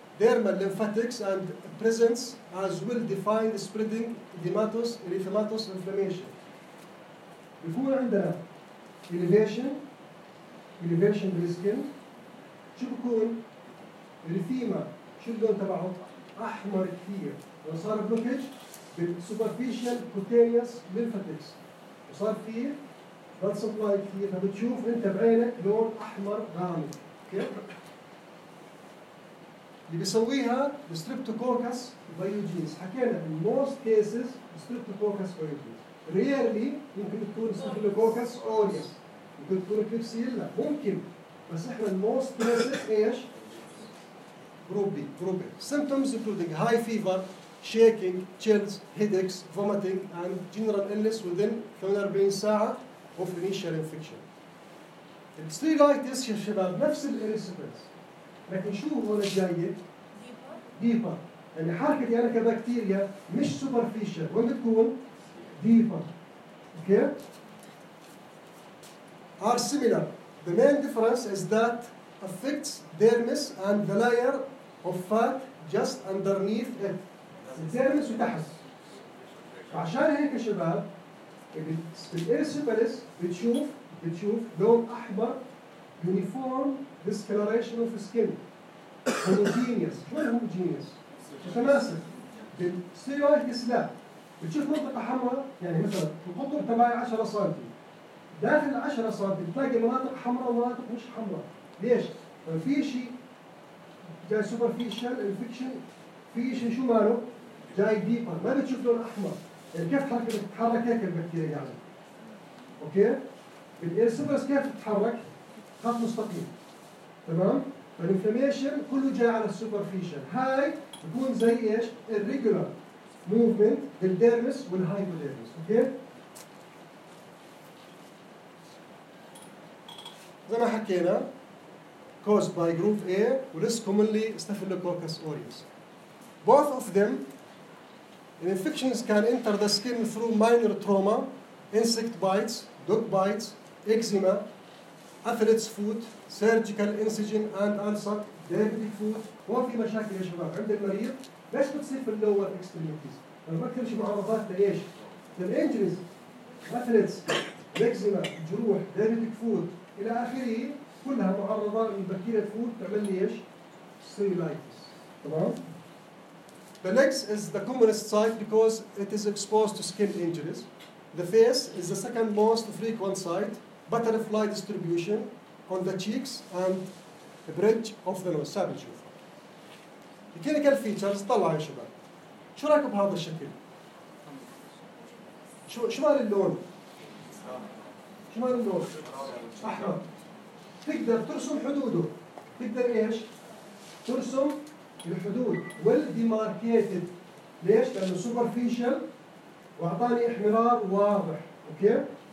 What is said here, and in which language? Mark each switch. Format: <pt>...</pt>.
<en>dermal lymphatics and presence as well define the spreading edematous erythematous inflammation.</en> <ar>بيكون عندنا</ar> <en>elevation, elevation of the skin.</en> <ar>شو بكون الريثيما شو اللون تبعه احمر كثير وصار بلوكج بالسوبرفيشال كوتينيوس ليمفاتكس وصار فيه بلد سبلاي كثير فبتشوف انت بعينك لون احمر غامق اوكي اللي بيسويها ستريبتوكوكس بايوجينز حكينا ان موست كيسز ستريبتوكوكس بايوجينز ريرلي ممكن تكون ستريبتوكوكس اوريس ممكن تكون كليبسيلا ممكن بس احنا الموست كيسز ايش</ar> <en>روبي روبي symptoms including high fever, shaking, chills, headaches, vomiting and general illness within 48</en> <ar>ساعة</ar> <en>of initial infection.</en> <ar>الستريلايتس يا شباب نفس الإريسبس لكن شو هو الجاية؟</ar> <en>deeper</en> <ar>يعني حركة يعني كبكتيريا مش</ar> <en>superficial</en> <ar>وين بتكون؟</ar> <en>deeper okay are similar the main difference is that affects dermis and the layer of fat just underneath it.</en> <ar>الدرمس وتحت. عشان هيك يا شباب بالإيرسيبلس بتشوف لون أحمر</ar> <en>uniform discoloration of skin.</en> <ar>homogeneous. ما هو homogeneous؟ متماسك. بالسيرويدس لا. بتشوف منطقة حمراء يعني مثلا القطر تبعي 10 سنتي. داخل 10 سنتي بتلاقي مناطق حمراء ومناطق مش حمراء. ليش؟ في شيء جاي</ar> <en>superficial infection</en> <ar>في شيء شو ماله؟ جاي ديبر ما بتشوف لون احمر يعني كيف حركة بتتحرك هيك البكتيريا يعني اوكي بالإيرسيبلس كيف بتتحرك خط مستقيم تمام فالانفلاميشن كله جاي على السوبرفيشال هاي بكون زي ايش الريجولار موفمنت بالديرمس والهايبوديرمس اوكي زي ما حكينا</ar> <en>caused by group A less commonly staphylococcus aureus both of them infections can enter the skin through minor trauma, insect bites, dog bites, eczema, athlete's foot, surgical incision and ulcer, diabetic foot.</en> <ar>هون في مشاكل يا شباب عند المريض ليش بتصير في اللور اكستريميتيز؟ انا ما كثير شي معرضات لايش؟ للانجريز، athletes, eczema, جروح, diabetic foot الى اخره كلها معرضه ان البكتيريا تفوت تعمل لي ايش؟ سيلايتس تمام؟</ar> <en>The legs is the commonest site because it is exposed to skin injuries. The face is the second most frequent site, butterfly distribution on the cheeks and the bridge of the nose.</en> <ar>سابق شوفه.</ar> <en>The clinical features,</en> <ar>طلع يا شباب. شو رأيك بهذا الشكل؟ شو مال اللون؟ شو مال اللون؟ أحمر. تقدر ترسم حدوده. تقدر إيش؟ ترسم الحدود</ar> <en>well demarcated</en> <ar>ليش؟ لأنه superficial وأعطاني إحمرار واضح أوكي؟</ar>